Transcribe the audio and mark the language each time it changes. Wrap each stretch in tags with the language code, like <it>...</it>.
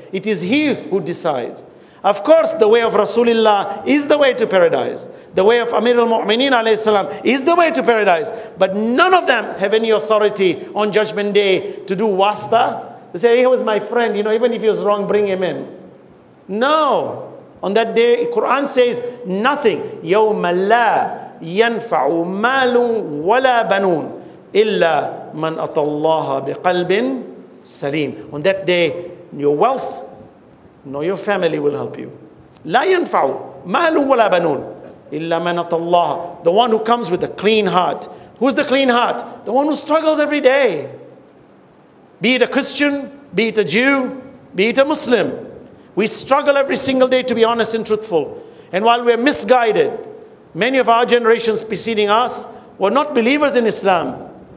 <en>It is He who decides. Of course, the way of Rasulullah is the way to paradise. The way of Amir al-Mu'mineen alayhi salam is the way to paradise. But none of them have any authority on judgment day to do wasta. They say, 'He was my friend, you know, even if he was wrong, bring him in.' No. On that day, Quran says nothing.</en> <ar>يَوْمَ لَا يَنْفَعُ مَالٌ وَلَا بَنُونَ إِلَّا مَنْ أَطَى اللَّهَ بِقَلْبٍ Salim.</ar> <en>On that day, your wealth nor your family will help you.</en> <ar>لا ينفع مال ولا بنون إلا من أتى الله.</ar> <en>The one who comes with a clean heart. Who's the clean heart? The one who struggles every day. Be it a Christian, be it a Jew, be it a Muslim. We struggle every single day to be honest and truthful. And while we're misguided, many of our generations preceding us were not believers in Islam.</en>